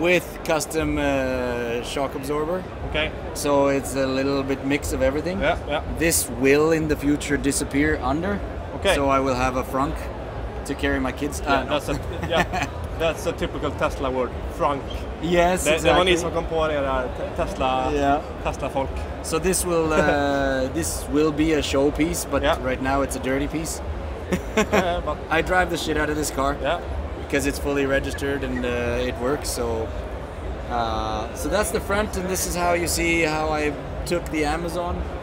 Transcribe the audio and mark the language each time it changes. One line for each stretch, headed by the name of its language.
English: With custom shock absorber. Okay. So it's a little bit mix of everything. Yeah, yeah. This will in the future disappear under. Okay. So I will have a frunk to carry my kids. Yeah, no. That's a, yeah, that's a typical Tesla word, frunk. Yes,
Swedish: det, Det var ni som kom på det där, Tesla, yeah. Tesla folk.
English: So this will be a showpiece, but yeah. Right now it's a dirty piece. But I drive the shit out of this car. Yeah. Because it's fully registered and it works, so that's the front, and this is how you see how I took the Amazon.